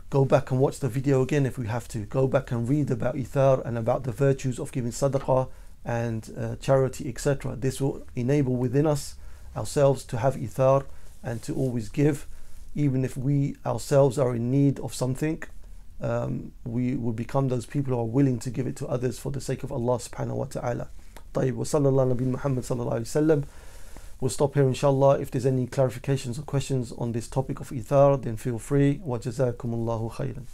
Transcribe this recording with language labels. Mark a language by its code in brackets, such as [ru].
[en] Go back and watch the video again if we have to. Go back and read about ithar and about the virtues of giving sadaqah and charity, etc. This will enable within us, ourselves, to have ithar and to always give. Even if we ourselves are in need of something, we will become those people who are willing to give it to others for the sake of Allah subhanahu wa ta'ala. [ar] طيب وصلى الله نبي محمد صلى الله عليه وسلم. [en] We'll stop here inshallah. If there's any clarifications or questions on this topic of ithar, then feel free. [ar] وجزاكم الله خيراً.